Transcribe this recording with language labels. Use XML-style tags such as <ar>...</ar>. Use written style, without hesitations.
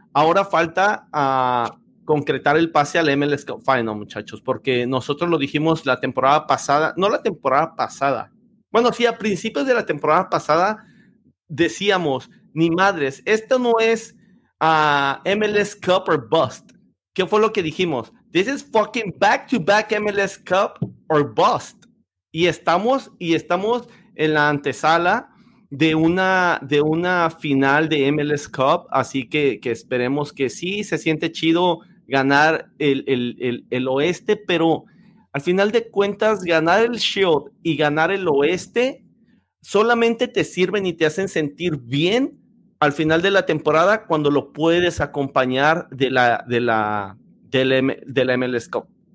<es>Ahora falta concretar el pase al MLS Cup Final, muchachos, porque nosotros lo dijimos la temporada pasada, no la temporada pasada. Bueno, sí, a principios de la temporada pasada decíamos, ni madres, esto no es MLS Cup or Bust. ¿Qué fue lo que dijimos?</es> <en>This is fucking back to back MLS Cup or Bust.</en> <es>Y estamos en la antesala de una final de MLS Cup, así que esperemos que sí, se siente chido ganar el oeste, pero al final de cuentas, ganar el Shield y ganar el oeste solamente te sirven y te hacen sentir bien al final de la temporada cuando lo puedes acompañar de la MLS Cup.</es>